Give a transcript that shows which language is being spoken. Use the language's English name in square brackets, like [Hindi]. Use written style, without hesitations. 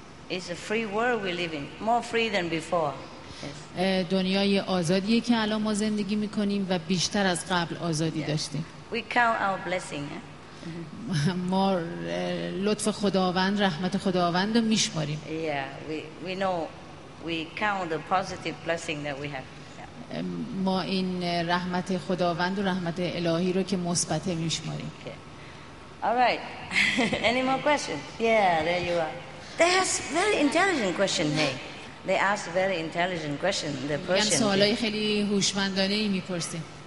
[English] It's a free world we live in. More free than before. [Persian] دنیای آزادی که الان ما زندگی میکنیم و بیشتر از قبل آزادی داشتیم. [English] We count our blessing. [Persian] ما لطف خداوند، رحمت خداوند رو میشماریم. [English] Yeah, we know we count the positive blessing that we have. [Persian] ما این رحمت خداوند و رحمت الهی رو که مثبت میشماریم. [English] Okay. All right. Any more questions? Yeah, there you are. They ask very intelligent question. Hey. They ask very intelligent question. The person. [Persian] یعنی سوالای خیلی هوشمندانه ای میپرسین.